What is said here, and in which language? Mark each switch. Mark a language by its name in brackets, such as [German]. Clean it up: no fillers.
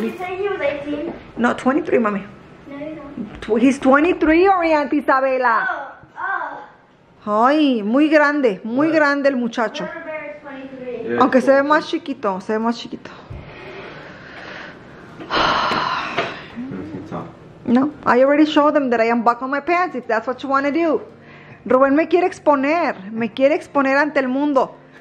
[English] Did you say he was 18? [Spanish] No, 23, mami. No, [English] he's 23, Orianti Isabela. Oh, oh. [Spanish] Ay, muy grande, muy what? Grande el muchacho. Yeah, aunque se ve más chiquito, se ve más chiquito. [English] No, I already showed them that I unbuckle my pants if that's what you want to do. [Spanish] Rubén me quiere exponer ante el mundo.